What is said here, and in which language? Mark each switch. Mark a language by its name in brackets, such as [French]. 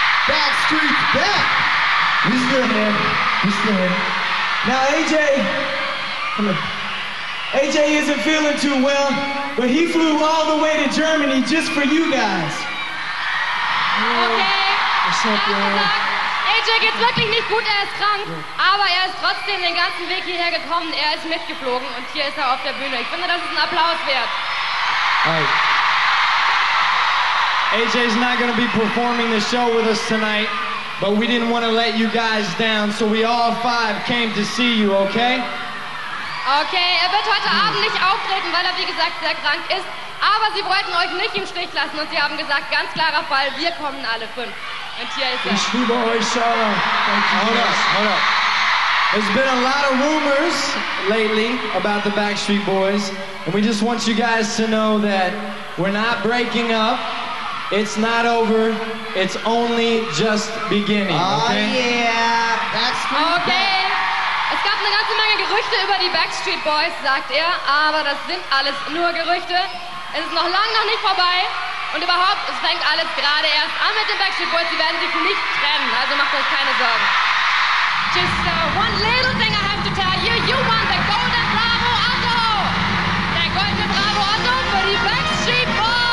[English] Backstreet back. We still here. We still here. Now, AJ, come on. AJ isn't feeling too well, but he flew all the way to Germany just for you guys. Okay. What's up, y'all? [German] AJ geht's wirklich nicht gut, er ist krank, aber er ist trotzdem den ganzen Weg hierher gekommen, er ist mitgeflogen und hier ist er auf der Bühne. Ich finde, das ist ein Applaus wert. [English] Alright. AJ's not gonna be performing the show with us tonight, but we didn't want to let you guys down, so we all five came to see you, okay? [German] Okay, er wird heute Abend nicht auftreten, weil er wie gesagt sehr krank ist, aber sie wollten euch nicht im Stich lassen und sie haben gesagt, ganz klarer Fall, wir kommen alle fünf. Ich liebe euch, [English] Hold up. There's been a lot of rumors lately about the Backstreet Boys, and we just want you guys to know that we're not breaking up. It's not over. It's only just beginning. Okay? Oh yeah, Backstreet. Okay. [German] Es gab eine ganze Menge Gerüchte über die Backstreet Boys, sagt er, aber das sind alles nur Gerüchte. Es ist noch lange nicht vorbei. Und überhaupt, es fängt alles gerade erst an mit den Backstreet Boys. Sie werden sich nicht trennen, also macht euch keine Sorgen. [English] Just one little thing I have to tell you. You won the golden Bravo Otto. [German] Der goldene Bravo Otto für die Backstreet Boys.